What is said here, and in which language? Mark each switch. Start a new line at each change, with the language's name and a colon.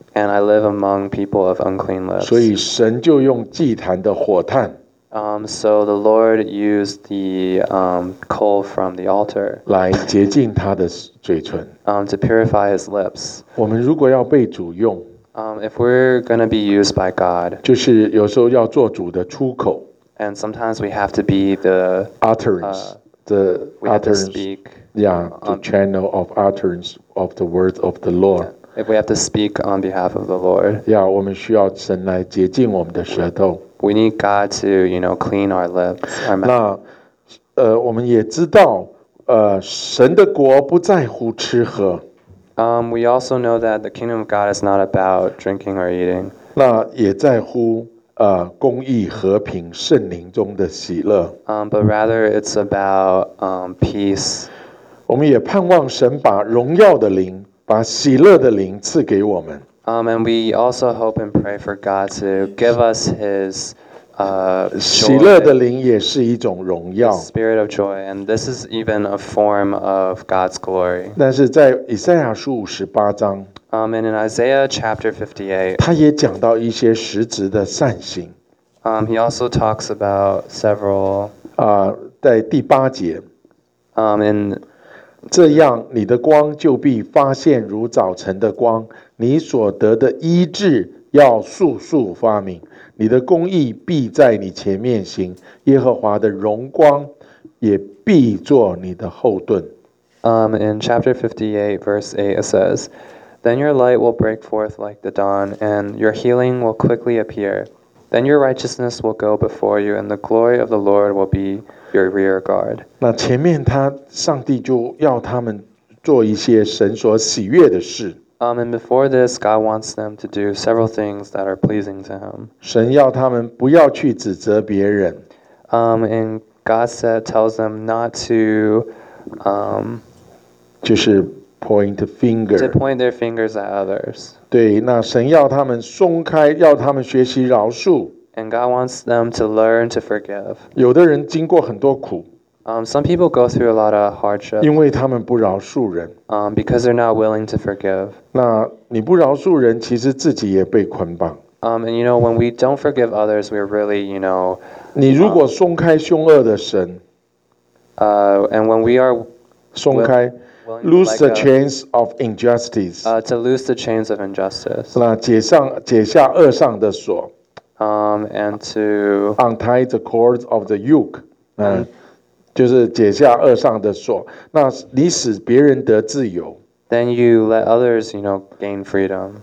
English: And I live among people of unclean lips.
Chinese: 所以神就用祭坛的火炭。
English: So the Lord used the coal from the altar.
Chinese: 来洁净他的嘴唇。
English: To purify his lips.
Chinese: 我们如果要被主用。
English: If we're going to be used by God,
Chinese: 就是有时候要做主的出口,
English: and sometimes we have to be the utterance, the utterance, speak, yeah, the channel of utterance of the words of the Lord. If we have to speak on behalf of the Lord,
Chinese: yeah, 我们需要神来洁净我们的舌头。
English: We need God to, you know, clean our lips, our mouth.
Chinese: 那，我们也知道，神的国不在乎吃喝。
English: We also know that the kingdom of God is not about drinking or eating.
Chinese: 那也在乎公义、和平、圣灵中的喜乐。
English: But rather it's about peace.
Chinese: 我们也盼望神把荣耀的灵、把喜乐的灵赐给我们。
English: And we also hope and pray for God to give us His joy.
Chinese: 喜乐的灵也是一种荣耀。
English: Spirit of joy, and this is even a form of God's glory.
Chinese: 但是在以赛亚书五十八章。
English: And in Isaiah chapter 58.
Chinese: 他也讲到一些实质的善行。
English: He also talks about several.
Chinese: 在第八节。
English: And
Chinese: 这样你的光就必发现如早晨的光，你所得的医治要速速发明。你的公义必在你前面行，耶和华的荣光也必做你的后盾。
English: In chapter 58, verse 8, it says, Then your light will break forth like the dawn, and your healing will quickly appear. Then your righteousness will go before you, and the glory of the Lord will be your rear guard.
Chinese: 那前面他上帝就要他们做一些神所喜悦的事。
English: And before this, God wants them to do several things that are pleasing to Him.
Chinese: 神要他们不要去指责别人。
English: And God said, tells them not to,
Chinese: 就是
English: point a finger. To point their fingers at others.
Chinese: 对，那神要他们松开，要他们学习饶恕。
English: And God wants them to learn to forgive.
Chinese: 有的人经过很多苦。
English: Some people go through a lot of hardship.
Chinese: 因为他们不饶恕人。
English: Because they're not willing to forgive.
Chinese: 那你不饶恕人，其实自己也被捆绑。
English: And you know, when we don't forgive others, we're really, you know.
Chinese: 你如果松开凶恶的神。
English: And when we are
Chinese: 松开
English: lose the chains of injustice. To lose the chains of injustice.
Chinese: 那解下恶上的锁。
English: And to untie the cords of the yoke.
Chinese: 就是解下轭上的锁，那你使别人得自由。
English: Then you let others, you know, gain freedom.